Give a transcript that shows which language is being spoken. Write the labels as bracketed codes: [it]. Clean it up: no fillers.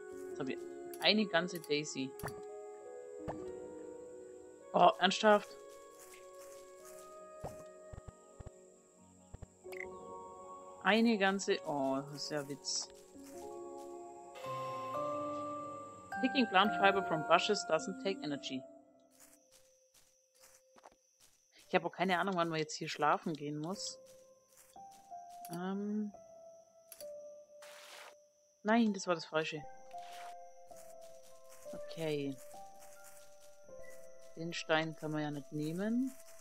[de] Jetzt haben wir eine ganze Daisy. Oh, ernsthaft? Eine ganze... Oh, das ist ja Witz. [en] Picking plant fiber from bushes doesn't take energy. [de] Ich habe auch keine Ahnung, wann man jetzt hier schlafen gehen muss. Nein, das war das Falsche. Okay. Den Stein kann man ja nicht nehmen.